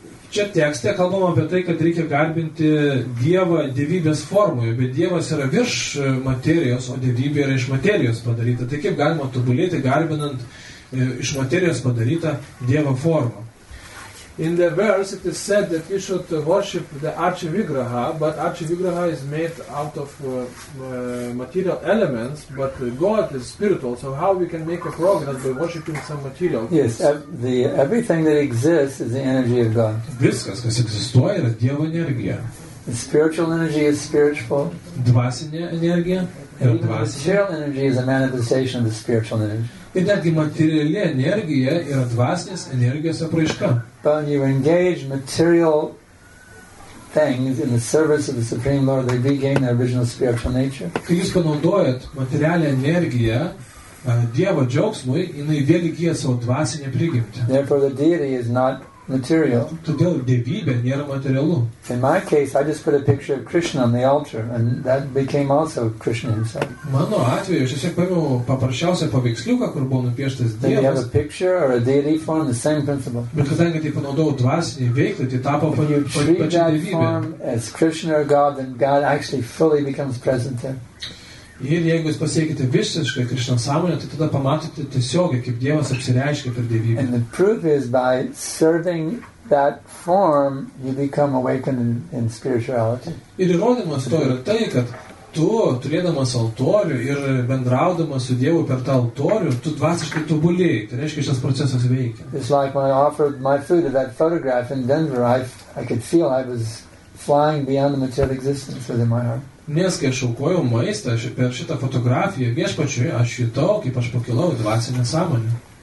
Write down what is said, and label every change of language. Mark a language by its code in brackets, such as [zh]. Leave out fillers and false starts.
[lt] Čia tekste kalbama apie tai, kad reikia garbinti Dievą dievybės formoje, bet Dievas yra virš materijos, o dievybė yra iš materijos padaryta. Tai kaip galima tobulėti garbinant iš materijos padarytą Dievo formą? [en] In the verse it is said that you should worship the Archivigraha, but Archivigraha is made out of material elements, but God is spiritual, so how we can make a progress by worshiping some material? Yes, everything that exists is the energy of God. [lt] Viskas, kas egzistuoja, yra Dievo energija. [en] The spiritual energy is spiritual. [lt] Dvasinė energija yra dvasinė. [en] Material energy is a manifestation of the spiritual energy. [lt] Ir netgi materialė energija yra dvasinės energijos apraiška. [en] But when you engage material things in the service of the Supreme Lord, they regain their original spiritual nature. [lt] Kai jūs panaudojat materialę energiją Dievo džiaugsmui, jinai vėl įgyja savo dvasinę prigimtį. [en] Therefore the deity is not material. [lt] Todėl dievybė nėra materialu. [en] In my case, I just put a picture of Krishna on the altar, and that became also Krishna himself. [lt] Mano atveju, aš tiesiog paėmiau paprasčiausią paveiksliuką, kur buvo nupieštas Dievas. [en] Then you have a picture or a deity form, the same principle. [lt] Bet kadangi tai panaudojau dvasinį veiklį, tai tapo pačią dievybę. [en] If you treat that form as Krishna or God, then God actually fully becomes present there. [lt] Ir jeigu jūs pasiekite visiškai Krishna sąmonę, tai tada pamatote tiesiogiai, kaip Dievas apsireiškia per dievybę. [en] And the proof is by serving that form, you become awakened in spirituality. [lt] Ir įrodymas to yra tai, kad tu, turėdamas altorių ir bendraudamas su Dievu per tą altorių, tu dvasiškai tobulėjai. Tai reiškia, šis procesas veikia. [en] It's like when I offered my food at that photograph in Denver, I could feel I was flying beyond the material existence within my heart. [lt] Nes kai aš aukojau maistą per šitą fotografiją viešpačiui, aš jutau, kaip aš pakilau į dvasinę sąmonę.